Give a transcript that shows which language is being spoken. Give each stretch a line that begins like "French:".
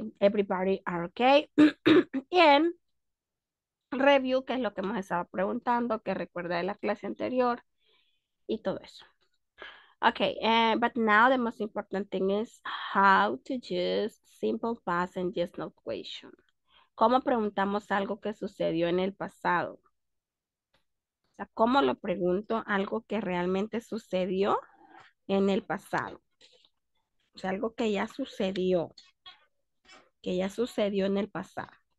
English: Everybody are okay.
Spanish: Y review, que es lo que hemos estado preguntando, que recuerda de la clase anterior y todo eso.
English: Okay, but now the most important thing is how to use simple past and just no question.
Spanish: ¿Cómo preguntamos algo que sucedió en el pasado? O sea, ¿cómo lo pregunto algo que realmente sucedió en el pasado? O sea, algo que ya sucedió. Que ya sucedió en el pasado.